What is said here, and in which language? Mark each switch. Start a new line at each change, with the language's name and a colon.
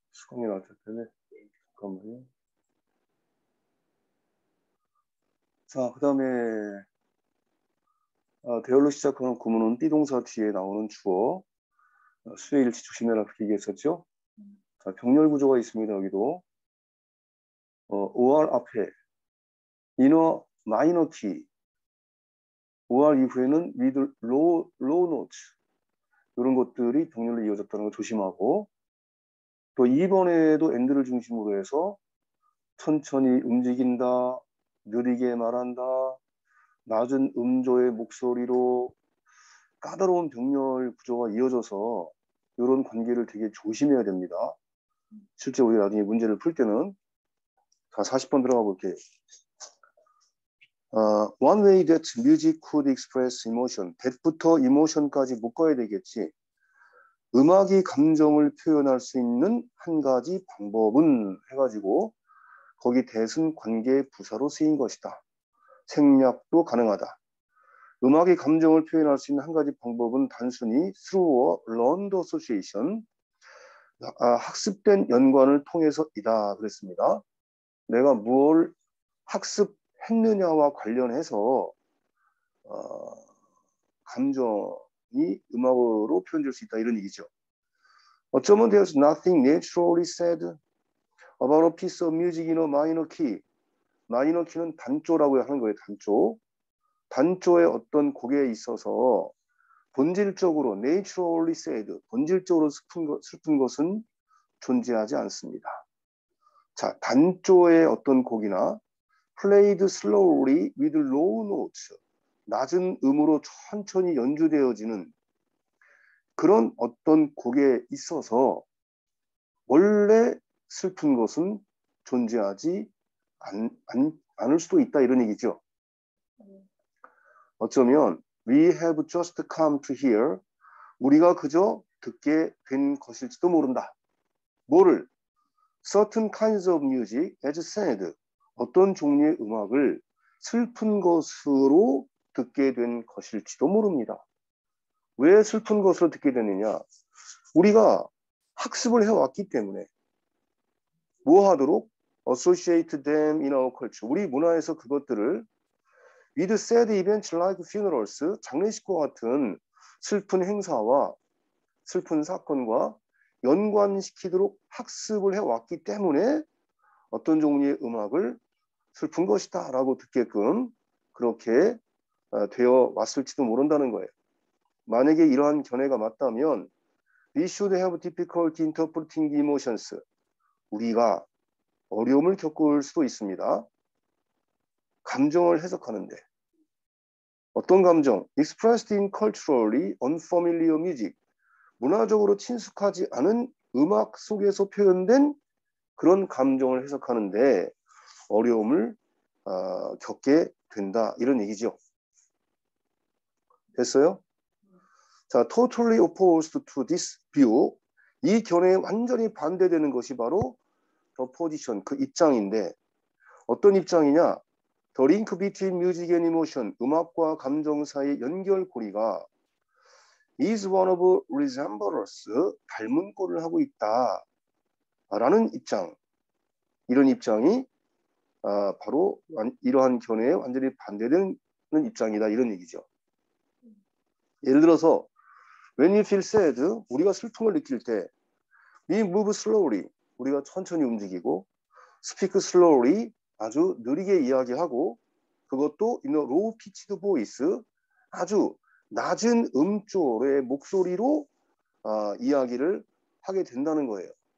Korean: 수강료 날짜 때문에 잠깐만요. 자, 그다음에 대열로 시작하는 구문은 비동사 뒤에 나오는 주어 수의일치 조심해라 그렇게 얘기했었죠. 자, 병렬 구조가 있습니다, 여기도.
English: or
Korean: 앞에,
English: inner, minor key. or
Korean: 이후에는
English: with low notes.
Korean: 이런 것들이 병렬로 이어졌다는 걸 조심하고, 또 2번에도 end를 중심으로 해서, 천천히 움직인다, 느리게 말한다, 낮은 음조의 목소리로 까다로운 병렬 구조가 이어져서, 이런 관계를 되게 조심해야 됩니다. 실제 우리 나중에 문제를 풀 때는 자 40번 들어가 볼게요.
English: One way that music could express emotion.
Korean: that부터 emotion까지 묶어야 되겠지. 음악이 감정을 표현할 수 있는 한 가지 방법은 해가지고 거기 that은 관계 부사로 쓰인 것이다. 생략도 가능하다. 음악이 감정을 표현할 수 있는 한 가지 방법은 단순히
English: through a learned association.
Korean: 학습된 연관을 통해서이다 그랬습니다. 내가 뭘 학습했느냐와 관련해서 감정이 음악으로 표현될 수 있다 이런 얘기죠. 어쩌면
English: there's nothing naturally said about a piece of music in a minor key.
Korean: minor key는 단조라고 하는 거예요. 단조. 단조의 어떤 곡에 있어서 본질적으로
English: naturally sad,
Korean: 본질적으로 슬픈 것은 존재하지 않습니다. 자, 단조의 어떤 곡이나
English: played slowly with low notes,
Korean: 낮은 음으로 천천히 연주되어지는 그런 어떤 곡에 있어서 원래 슬픈 것은 존재하지 않을 수도 있다 이런 얘기죠. 어쩌면
English: We have just come to hear.
Korean: 우리가 그저 듣게 된 것일지도 모른다. 뭐를?
English: Certain kinds of music as sad.
Korean: 어떤 종류의 음악을 슬픈 것으로 듣게 된 것일지도 모릅니다. 왜 슬픈 것으로 듣게 되느냐? 우리가 학습을 해왔기 때문에 뭐하도록
English: associate them in our culture.
Korean: 우리 문화에서 그것들을
English: With sad events like funerals,
Korean: 장례식과 같은 슬픈 행사와 슬픈 사건과 연관시키도록 학습을 해왔기 때문에 어떤 종류의 음악을 슬픈 것이다 라고 듣게끔 그렇게 되어 왔을지도 모른다는 거예요. 만약에 이러한 견해가 맞다면
English: We should have difficulty interpreting emotions.
Korean: 우리가 어려움을 겪을 수도 있습니다. 감정을 해석하는데 어떤 감정?
English: Expressed in culturally unfamiliar music.
Korean: 문화적으로 친숙하지 않은 음악 속에서 표현된 그런 감정을 해석하는데 어려움을 겪게 된다. 이런 얘기죠. 됐어요?
English: 자, totally opposed to this view.
Korean: 이 견해에 완전히 반대되는 것이 바로
English: the position,
Korean: 그 입장인데 어떤 입장이냐?
English: The link between music and emotion,
Korean: 음악과 감정 사이의 연결고리가
English: is one of resemblance,
Korean: 닮은 꼴을 하고 있다라는 입장. 이런 입장이 바로 이러한 견해에 완전히 반대되는 입장이다. 이런 얘기죠. 예를 들어서
English: When you feel sad,
Korean: 우리가 슬픔을 느낄 때
English: We move slowly,
Korean: 우리가 천천히 움직이고
English: Speak slowly,
Korean: 아주 느리게 이야기하고 그것도
English: in a low pitched voice
Korean: 아주 낮은 음조의 목소리로 이야기를 하게 된다는 거예요.